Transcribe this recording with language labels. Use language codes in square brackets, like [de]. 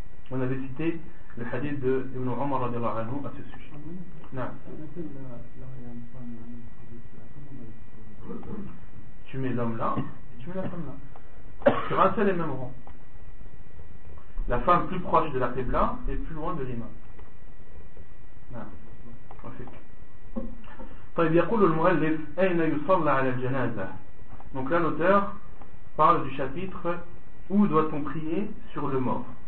[fr] On avait cité le hadith de Ibn Omar à ce sujet. Non. Tu mets l'homme là et tu mets la femme là. Sur un seul et même rang. La femme plus proche de la Qibla et plus loin de l'imam. Non. [ar] طيب يقول المؤلف أين يصلى على الجنازة. [fr] Donc là l'auteur parle du chapitre où doit-on prier sur le mort.